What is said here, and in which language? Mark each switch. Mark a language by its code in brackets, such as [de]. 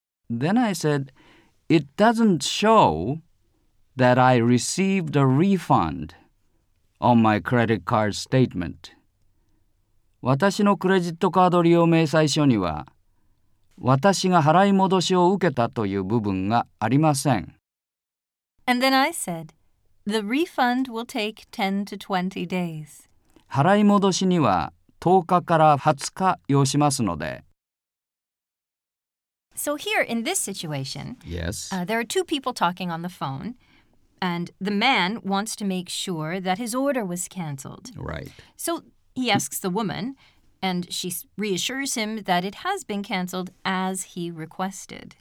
[en] Then I said, it doesn't show that I received a refund on my credit card statement. [ja] 私のクレジットカード利用明細書には、私が払い戻しを受けたという部分がありません。 [en] And then I said, the refund will take 10 to 20 days. [ja] 払い戻しには10日から20日要しますので。 [en] So here in this situation, yes. There are two people talking on the phone, and the man wants to make sure that his order was cancelled. Right. So he asks the woman,And she reassures him that it has been cancelled as he requested.